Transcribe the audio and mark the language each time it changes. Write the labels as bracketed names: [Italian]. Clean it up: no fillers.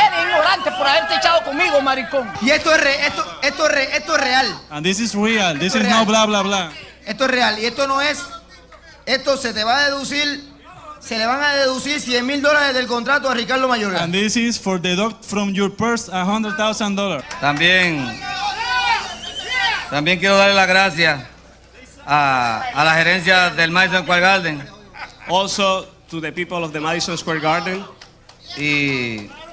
[Spanish] Eres ignorante por haberte echado conmigo, maricón. Y esto es real. [English] And this is real. This is no blah, blah, blah. [Spanish] Esto es real. Y esto no es... Esto se te va a deducir... Se le van a deducir $100,000 del contrato a Ricardo Mayorga. [English] And this is for deduct from your purse $100,000. [Spanish] También quiero darle las gracias a la gerencia del Madison Square Garden. [English] Also to the people of the Madison Square Garden. [Spanish] Y